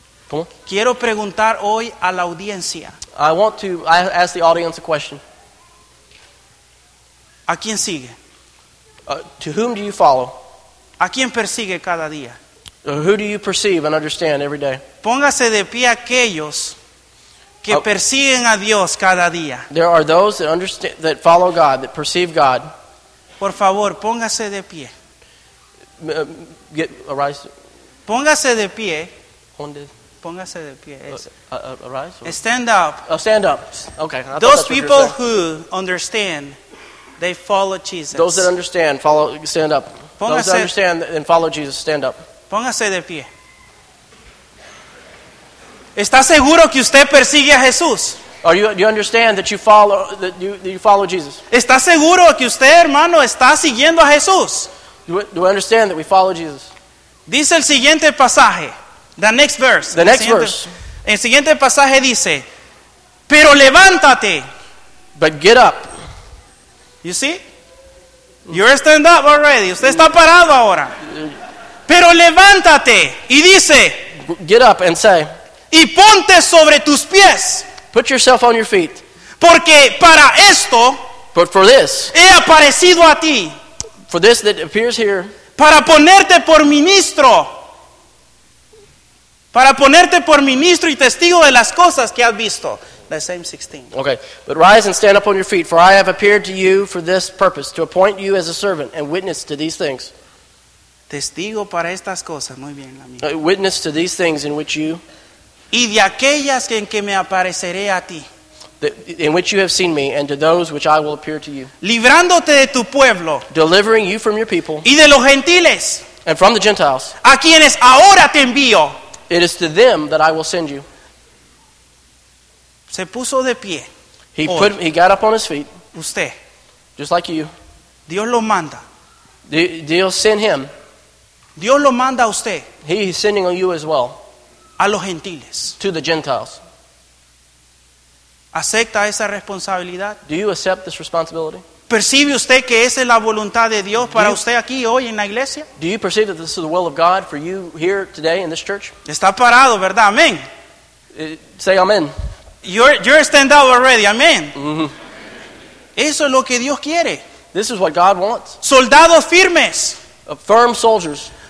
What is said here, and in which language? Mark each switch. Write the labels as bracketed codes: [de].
[es] ¿Cómo? Quiero preguntar hoy a la audiencia. [en] I ask the audience a question. [es] ¿A quién sigue? [en] To whom do you follow? [es] ¿A quién persigue cada día? [en] Who do you perceive and understand every day? [es] Póngase de pie aquellos que persiguen a Dios cada día. [en] There are those that understand, that follow God, that perceive God. [es] Por favor, póngase de pie. [en] Get, arise. [es] Póngase de pie. ¿Dónde? Póngase de pie. [en] Arise. Or? Stand up. Oh, stand up. Okay. Those people who understand, they follow Jesus. Those that understand, follow. Stand up. [es] Póngase, [en] those that understand and follow Jesus, stand up. [es] Póngase de pie. ¿Está seguro que usted persigue a Jesús? [en] Are you, do you understand that you follow that you follow Jesus? [es] ¿Está seguro que usted, hermano, está siguiendo a Jesús? [en] Do I understand that we follow Jesus? [es] Dice el siguiente pasaje. [en] The next verse. The next verse. [es] El siguiente pasaje dice, pero levántate. [en] But get up. You see? You're stand up already. [es] Usted está parado ahora. Pero levántate. Y dice, [en] get up and say, [es] y ponte sobre tus pies. [en] Put yourself on your feet. [es] Porque para esto, [en] but for this, [es] he aparecido a ti. [en] For this that appears here, [es] para ponerte por ministro. Para ponerte por ministro y testigo de las cosas que has visto. [en] The same 16. Okay. But rise and stand up on your feet, for I have appeared to you for this purpose, to appoint you as a servant and witness to these things. [es] Testigo para estas cosas. Muy bien, amigo. [en] Witness to these things in which you... [es] Y de aquellas en que me apareceré a ti. [en] In which you have seen me, and to those which I will appear to you. [es] Librándote de tu pueblo. [en] Delivering you from your people. [es] Y de los gentiles. [en] And from the Gentiles. [es] A quienes ahora te envío. [en] It is to them that I will send you. [es] Se puso de pie. [en] He got up on his feet. [es] Usted. [en] Just like you. [es] Dios lo manda. [en] Dios send him. [es] Dios lo manda a usted. [en] He is sending on you as well. [es] A los gentiles. [en] To the Gentiles. [es] ¿Acepta esa responsabilidad? [en] Do you accept this responsibility? [es] ¿Percibe usted que esa es la voluntad de Dios para usted aquí hoy en la iglesia? [en] Do you perceive that this is the will of God for you here today in this church? [es] Está parado, ¿verdad? Amén. [en] Say amen. You're stand up already. Amen. Mm-hmm. [es] Eso es lo que Dios quiere. [en] This is what God wants. [es] Soldados firmes. [en] Firm soldiers.